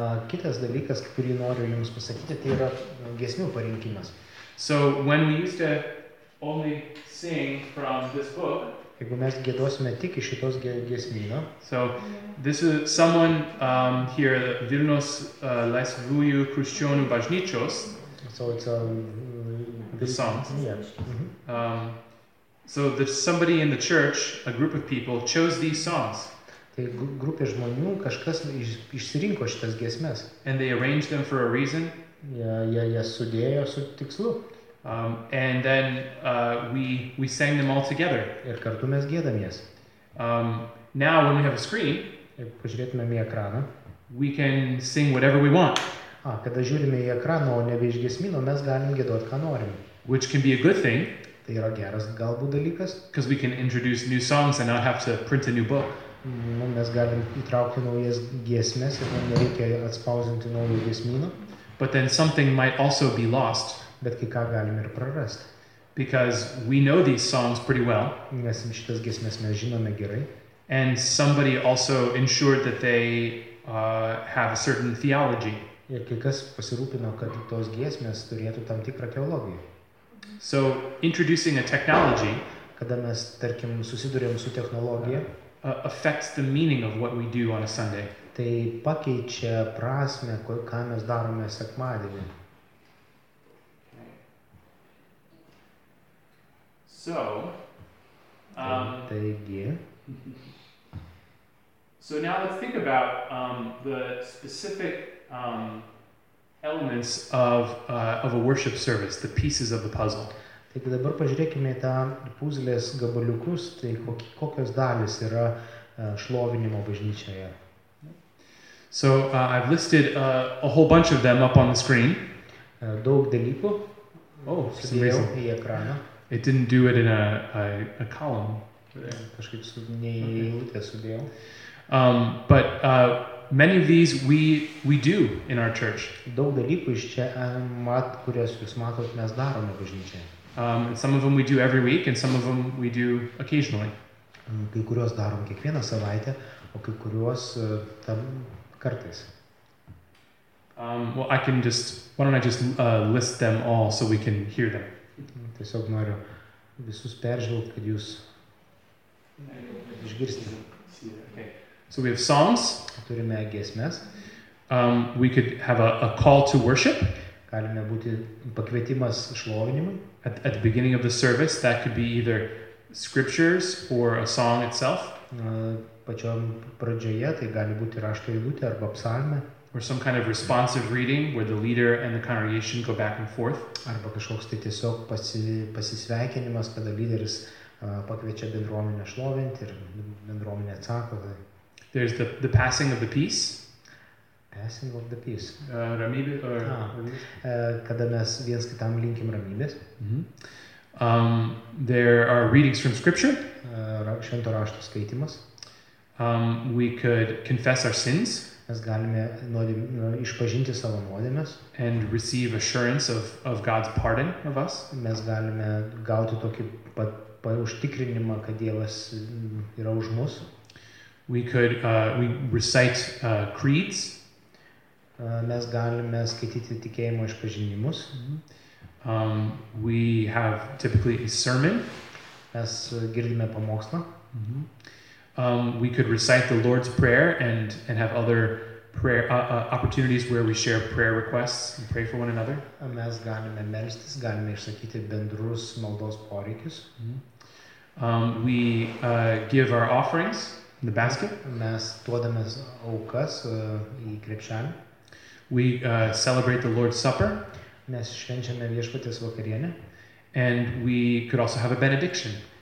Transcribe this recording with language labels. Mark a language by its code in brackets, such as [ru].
[lt] Kitas dalykas, kurį noriu jums pasakyti, tai yra giesmių parinkimas. [en] So when we used to only sing from this book, [lt] jeigu mes giedosime tik iš šitos giesmyno. [en] So this is someone here Vilnos Laisvųjų Krikščionių Bažnyčios. So it's the songs. Yeah. Mm-hmm. So there's somebody in the church, a group of people chose these songs. [lt] Tai grupė žmonių kažkas išsirinko šitas giesmes. [en] And they arranged them for a reason. [lt] Jie sudėjo su tikslu. [en] And then we sang them all together. [lt] Ir kartu mes giedam jas. [en] Now when we have a screen, [lt] jeigu pažiūrėtumėm į ekraną, [en] we can sing whatever we want. [lt] Kada žiūrime į ekraną, o nebe iš giesmino, mes galim giedot ką norim. [en] Which can be a good thing. [lt] Tai yra geras galbūt dalykas. [en] Because we can introduce new songs and not have to print a new book. [lt] Mes galim įtraukti naujas giesmes ir mums nereikia atspausinti naujų giesmynų. [en] But then something might also be lost. [lt] Bet kai ką galim ir prarasti. [en] Because we know these songs pretty well. [lt] Nes šitas giesmes mes žinome gerai. [en] And somebody also ensured that they have a certain theology. [lt] Ir kai kas pasirūpino, kad tos giesmes turėtų tam tikrą teologiją. [en] So introducing a technology, [lt] kada mes tarkim susidurėm su technologija, [en] affects the meaning of what we do on a Sunday. [lt] Tai pakeičia prasmę, ką mes darome sekmadienį. [en] So now let's think about the specific elements of a worship service, the pieces of the puzzle. [lt] Taigi dabar pažiūrėkime į tą puzlės gabaliukus, tai kokios dalys yra šlovinimo bažnyčioje. [en] So I've listed a whole bunch of them up on the screen. [lt] Daug dalykų. Oh, sudėjau į ekraną. [en] It didn't do it in a column. [lt] Kažkaip neįlūtę sudėjau. [en] But many of these we do in our church. [lt] Daug dalykų iš čia, kurias jūs matot, mes darome bažnyčioje. [en] And some of them we do every week, and some of them we do occasionally. [lt] Kai kuriuos darom kiekvieną savaitę, o kai kuriuos tam kartais. [en] Why don't I just list them all so we can hear them. [lt] Tiesiog noriu visus peržvelgti, kad jūs išgirsti. [en] Okay. So we have songs. [lt] Turime giesmes. [en] We could have a call to worship. [lt] galime būti pakvietimas šlovinimui. [en] At the beginning of the service, that could be either scriptures or a song itself. [lt] Pačiom pradžioje tai gali būti rašto eilutė arba psalmė. [en] Or some kind of responsive reading where the leader and the congregation go back and forth. [lt] Arba kažkoks tai tiesiog pasisveikinimas, kada lyderis pakviečia bendruomenę šlovinti ir bendruomenė atsako. Tai. [en] There's the passing of the peace. Passing of the peace. [lt] Ramybė. Kada mes vienas kitam linkim ramybės. Mm-hmm. [en] There are readings from scripture. [lt] Švento rašto skaitimas. [en] We could confess our sins. [lt] Mes galime išpažinti savo nuodėmes. [en] And receive assurance of God's pardon of us. [lt] Mes galime gauti tokį užtikrinimą, kad Dievas yra už mus. [en] We recite creeds. [lt] Mes galime skaityti tikėjimo išpažinimus. Mm-hmm. [en] We have typically a sermon. [lt] Mes girdime pamokslą. Mm-hmm. [en] We could recite the Lord's Prayer and have other prayer opportunities where we share prayer requests and pray for one another. [lt] Mes galime melstis, galime išsakyti bendrus maldos poreikius. [en] We give our offerings in the basket. [lt] Mes duodame aukas į krepšelį. [en] We celebrate the Lord's Supper. [lt] Mes švenčiame viešpaties vakarienę. [en] And we could also have a benediction.